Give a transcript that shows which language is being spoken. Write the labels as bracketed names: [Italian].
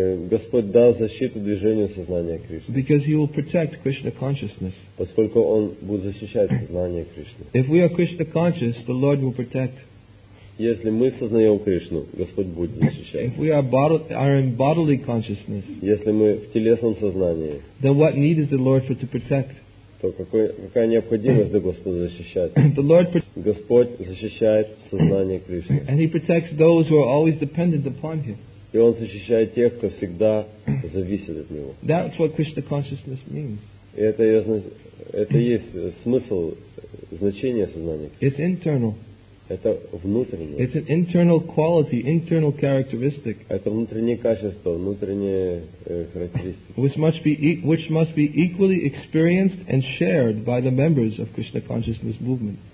[Russian] Господь даст защиту движению сознания Кришны. [English] Because He will protect Krishna consciousness. [Russian] Поскольку Он будет защищать сознание Кришны. [English] If we are Krishna conscious, the Lord will protect. [Russian] Если мы сознаем Кришну, Господь будет защищать. [English] If we are in bodily consciousness, [Russian] если мы в телесном сознании, [English] then what need is the Lord for to protect? [Russian] То какая необходимость для Господа защищать? Господь защищает сознание Кришны. [English] And he protects those who are always dependent upon him. [Russian] И Он защищает тех, кто всегда зависит от Него. [English] That's what Krishna consciousness means. [Russian] И это есть смысл, значение сознания Кришны. [English] It's internal. [Russian] Это внутреннее. [English] It's an internal quality, internal characteristic. [Russian] Это внутреннее качество, внутренняя характеристика. [English] Which must be equally experienced and shared by the members of Krishna consciousness movement.